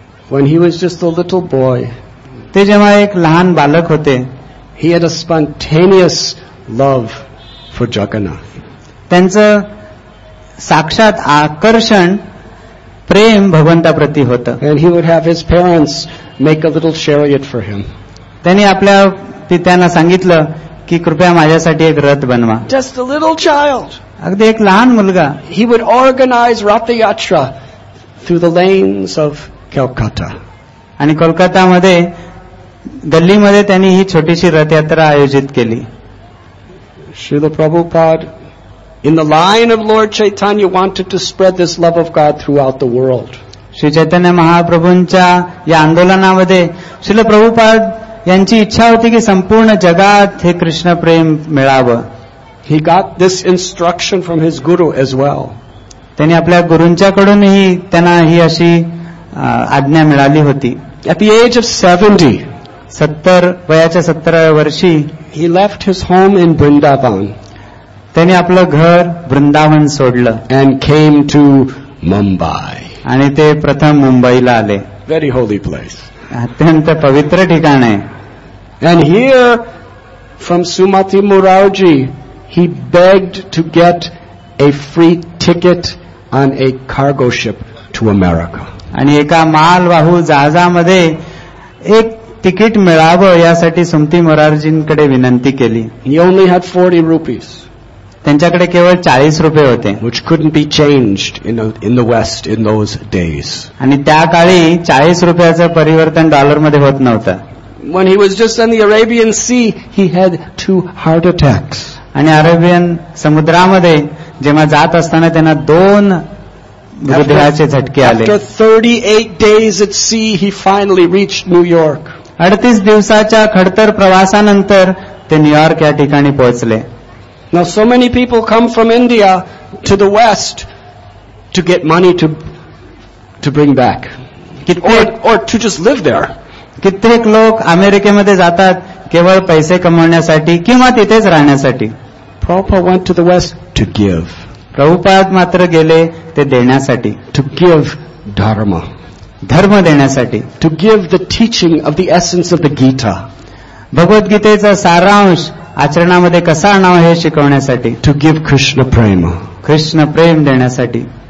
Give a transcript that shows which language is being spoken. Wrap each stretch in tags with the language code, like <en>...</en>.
<en>When he was just a little boy,</en> <mr>ते जेव्हा एक लहान बालक होते,</mr> <en>he had a spontaneous love for Jagannath.</en> <mr>त्यांचं साक्षात आकर्षण प्रेम भगवंताप्रती होतं.</mr> <en>And he would have his parents make a little chariot for him.</en> <mr>त्यांनी आपल्या पित्यांना सांगितलं की कृपया माझ्यासाठी एक रथ बनवा.</mr> <en>just a little child,</en> <mr>अगदी एक लहान मुलगा.</mr> <en>He would organize Rathyatra through the lens of Kolkata.</en> <mr>आणि कोलकातामध्ये गल्लीमध्ये त्यांनी ही छोटीशी रथयात्रा आयोजित केली.</mr> <en>Srila Prabhupada in the line of lord Chaitanya wanted to spread this love of God throughout the world.</en> <mr>Shri Chaitanya महाप्रभूंच्या या आंदोलनामध्ये श्रील प्रभुपाद यांची इच्छा होती की संपूर्ण जगात हे कृष्ण प्रेम मिळावं.</mr> <en>He got this instruction from his guru as well.</en> <mr>त्यांनी आपल्या गुरुंच्याकडूनही त्यांना ही अशी आज्ञा मिळाली होती.</mr> <en>At the age of 70,</en> <mr>सत्तराव्या वर्षी</mr> <en>he left his home in Vrindavan.</en> <mr>त्यांनी आपलं घर वृंदावन सोडलं.</mr> <en>And came to Mumbai.</en> <mr>आणि ते प्रथम मुंबईला आले.</mr> <en>Very holy place.</en> <mr>अत्यंत पवित्र ठिकाण आहे.</mr> <en>And here from Sumati Murarji he begged to get a free ticket on a cargo ship to America.</en> <mr>आणि एका मालवाहू जहाजामध्ये एक तिकीट मिळावं यासाठी सुमती मुरारजींकडे विनंती केली.</mr> <en>He only had 40 rupees.</en> <mr>त्यांच्याकडे केवळ 40 रुपये होते.</mr> <en>Which couldn't be changed in the West in those days.</en> <mr>आणि त्या काळी 40 रुपयाचं परिवर्तन डॉलरमध्ये होत नव्हतं.</mr> <en>When he was just on the Arabian Sea, he had 2 heart attacks.</en> <mr>आणि अरेबियन समुद्रामध्ये जेव्हा जात असताना त्यांना 2 हृदयाचे झटके आले.</mr> <en>After 38 days at sea, he finally reached New York.</en> <mr>38 दिवसाच्या खडतर प्रवासानंतर ते न्यूयॉर्क या ठिकाणी पोहोचले.</mr> <en>Now so many people come from India to the West to get money to bring back or to just live there.</en> <mr>कित्येक लोक अमेरिकेमध्ये जातात केवळ पैसे कमवण्यासाठी किंवा तिथेच राहण्यासाठी.</mr> <en>Prabhupada went to the West to give.</en> <mr>Prabhupada मात्र गेले ते देण्यासाठी.</mr> <en>To give dharma.</en> <mr>धर्म देण्यासाठी.</mr> <en>To give the teaching of the essence of the Gita.</en> <mr>भगवत गीतेचा सारांश आचरणामध्ये कसा आणावं हे शिकवण्यासाठी.</mr> <en>To give Krishna prem.</en> <mr>कृष्ण प्रेम देण्यासाठी.</mr>